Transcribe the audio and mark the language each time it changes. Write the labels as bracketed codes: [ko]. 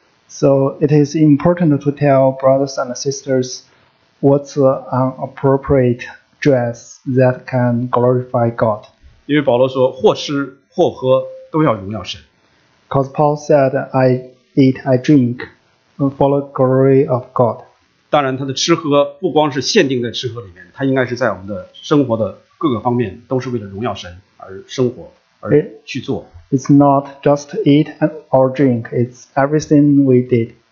[en] So it is important to tell brothers and sisters what's an appropriate dress that can glorify God. [zh] 因为保罗说，或吃或喝都要荣耀神。 [en] Because Paul said, I eat, I drink, and follow the glory of God. [zh] 当然他的吃喝不光是限定在吃喝里面，他应该是在我们的生活的各个方面都是为了荣耀神而生活而去做。 [en] It's not just eat or drink, it's everything we did.